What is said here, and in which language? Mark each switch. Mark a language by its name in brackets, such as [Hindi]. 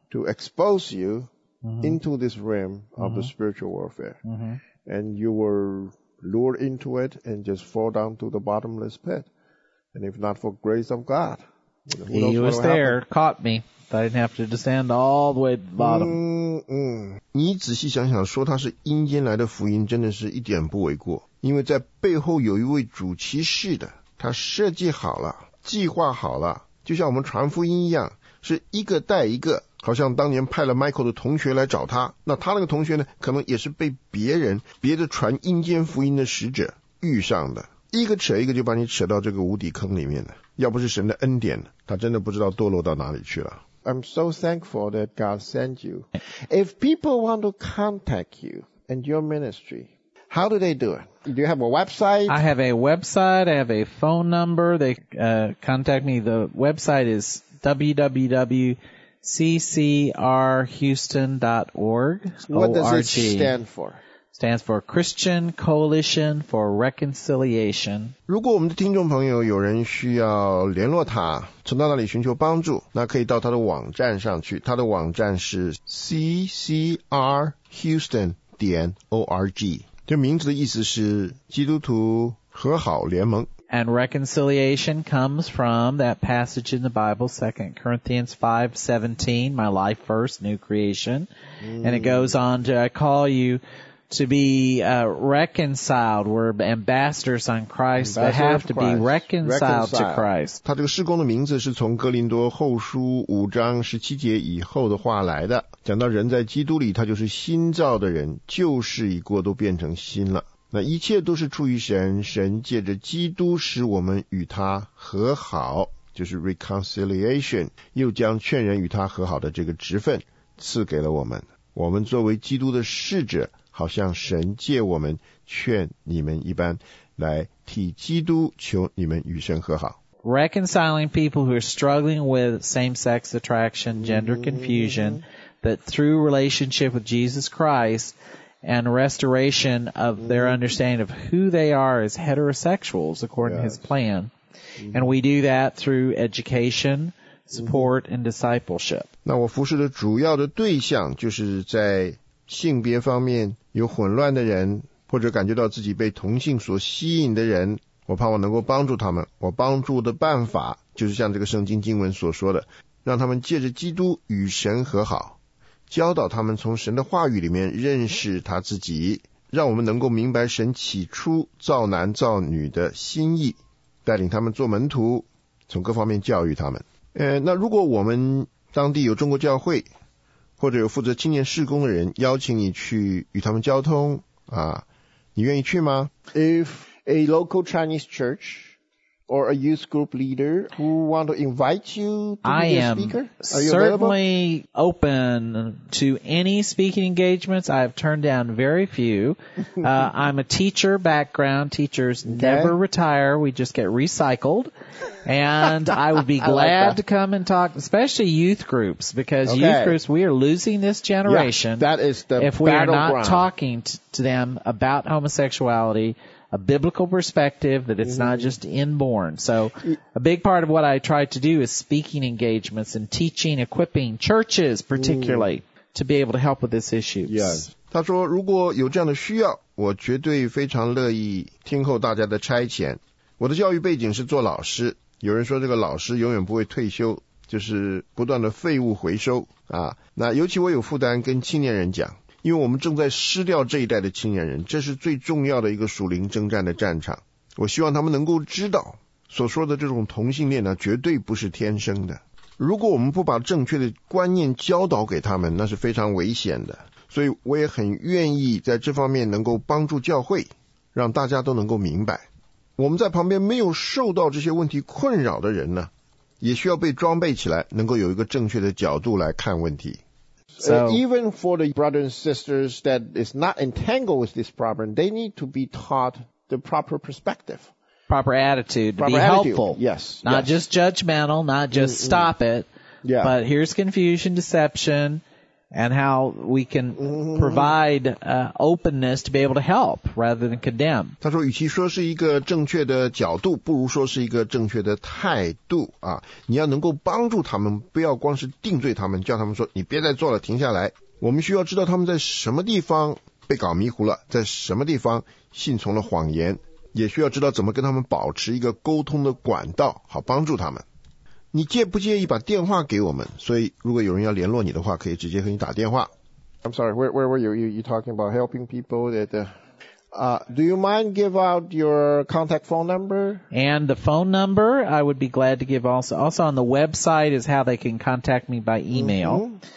[English] to expose you、mm-hmm. into this realm of、mm-hmm. the spiritual warfare.、 Mm-hmm. And you were lured into it and just fall down to the bottomless pit. And if not for grace of God, who knows what would happen? He was there, caught me. But I didn't have to descend all the way to the bottom. Mm-hmm. [Chinese] 你仔细想想说他是阴间来的福音真的是一点不为过。因为在背后有一位主骑士的，他设计好了，计划好了。就像我们传福音一样，是一个带一个，好像当年派了 Michael 的同学来找他，那他那个同学呢，可能也是被别的传阴间福音的使者遇上的，一个扯一个就把你扯到这个无底坑里面了。要不是神的恩典，他真的不知道堕落到哪里去了。 [English] I'm so thankful that God sent you. If people want to contact you and your ministry, how do they do it? Do you have a website? I have a website. I have a phone number. They contact me. The website is www.ccrhouston.org. What does it stand for? Stands for Christian Coalition for Reconciliation. [Chinese] 如果我们的听众朋友有人需要联络他，从他那里寻求帮助，那可以到他的网站上去。他的网站是 ccrhouston.org。这名字的意思是基督徒和好联盟。 [English] And reconciliation comes from that passage in the Bible, 2 Corinthians 5:17, my life first, new creation. Mm. And it goes on to, I call you to be reconciled. We're ambassadors on Christ's behalf to be reconciled to Christ. [Chinese] 他这个事工的名字是从哥林多后书五章十七节以后的话来的，讲到人在基督里，他就是新造的人，旧事已过，都变成新了。那一切都是出于神，神借着基督使我们与他和好，就是 reconciliation， 又将劝人与他和好的这个职分赐给了我们。我们作为基督的使者，好像神借我们劝你们一般，来替基督求你们与神和好。 [English] Reconciling people who are struggling with same-sex attraction, gender confusion, that through relationship with Jesus Christ,and restoration of their understanding of who they are as heterosexuals according to his plan. And we do that through education, support, and discipleship. [Chinese] 那我服侍的主要的对象就是在性别方面有混乱的人，或者感觉到自己被同性所吸引的人，我盼望能够帮助他们。我帮助的办法就是像这个圣经经文所说的，让他们借着基督与神和好。教导他们从神的话语里面认识他自己，让我们能够明白神起初造男造女的心意，带领他们做门徒，从各方面教育他们。那如果我们当地有中国教会，或者有负责青年事工的人邀请你去与他们交通啊，你愿意去吗 [English] ？If a local Chinese church or a youth group leader who want to invite you to be a speaker? I am certainly open to any speaking engagements. I have turned down very few. I'm a teacher background. Teachers never retire. We just get recycled. And I would be glad to come and talk, especially youth groups, because youth groups, we are losing this generation. Yeah, that is the if we are not talking to them about homosexuality,a biblical perspective that it's not just inborn. So a big part of what I try to do is speaking engagements and teaching, equipping churches particularly to be able to help with this issue. Yes. [Chinese] 他说如果有这样的需要，我绝对非常乐意听候大家的差遣。我的教育背景是做老师，有人说这个老师永远不会退休，就是不断的废物回收啊。那尤其我有负担跟青年人讲，因为我们正在失掉这一代的青年人，这是最重要的一个属灵征战的战场。我希望他们能够知道，所说的这种同性恋呢，绝对不是天生的。如果我们不把正确的观念教导给他们，那是非常危险的。所以我也很愿意在这方面能够帮助教会，让大家都能够明白。我们在旁边没有受到这些问题困扰的人呢，也需要被装备起来，能够有一个正确的角度来看问题。 [English] So, even for the brothers and sisters that is not entangled with this problem, they need to be taught the proper perspective. Proper attitude to proper be attitude. Helpful. Yes. Not just judgmental, not just stop it. Yeah. But here's confusion, deception, and how we can provide openness to be able to help rather than condemn. [Chinese] 他说与其说是一个正确的角度，不如说是一个正确的态度啊！你要能够帮助他们，不要光是定罪他们，叫他们说你别再做了，停下来。我们需要知道他们在什么地方被搞迷糊了，在什么地方信从了谎言，也需要知道怎么跟他们保持一个沟通的管道，好帮助他们。你介不介意把电话给我们？所以如果有人要联络你的话，可以直接和你打电话。 [English] I'm sorry, where were you? You talking about helping people? That, do you mind give out your contact phone number? And the phone number, I would be glad to give also. Also on the website is how they can contact me by email.